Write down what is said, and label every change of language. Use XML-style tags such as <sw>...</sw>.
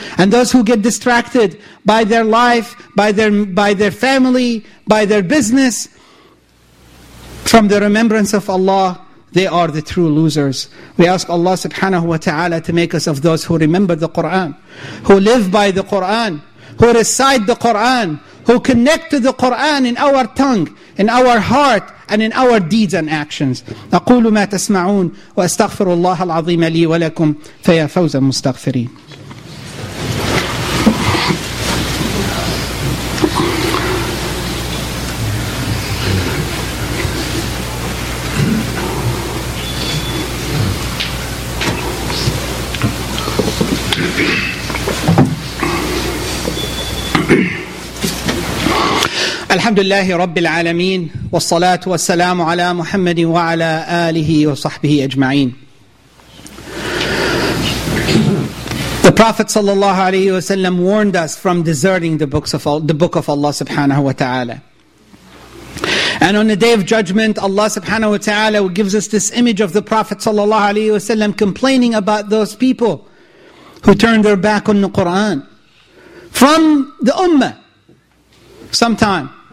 <en>And those who get distracted by their life, by their family, by their business, from the remembrance of Allah, they are the true losers. We ask Allah subhanahu wa ta'ala to make us of those who remember the Qur'an, who live by the Qur'an, who recite the Qur'an, who connect to the Qur'an in our tongue, in our heart, and in our deeds and actions.</en> <ar>أقول ما تسمعون وأستغفر الله العظيم لي ولكم فيا فوز المستغفرين. الحمد لله رب العالمين والصلاة والسلام على محمد وعلى آله وصحبه أجمعين.</ar> <en>The Prophet</en> <ar>صلى الله عليه وسلم</ar> <en>warned us from deserting the book of Allah subhanahu wa ta'ala. And on the day of judgment, Allah subhanahu wa ta'ala gives us this image of the Prophet</en> <ar>صلى الله عليه وسلم</ar> <en>complaining about those people who turned their back on the Quran from the ummah sometime.</en>